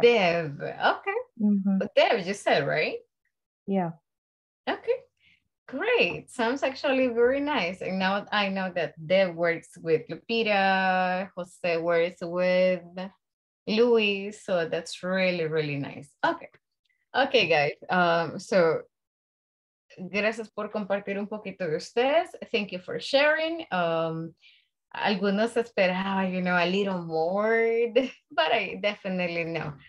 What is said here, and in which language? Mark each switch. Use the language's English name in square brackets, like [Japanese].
[English] Dev, okay. Mm-hmm. But Dev, you said, right? Yeah. Okay, great. Sounds actually very nice. And now I know that Dev works with Lupita, Jose works with Louis, so that's really, really nice. Okay. Okay, guys. [Spanish] So, gracias por compartir un poquito de ustedes. [English] Thank you for sharing. [Spanish] Algunos esperaban, [English] you know, a little more, but I definitely know.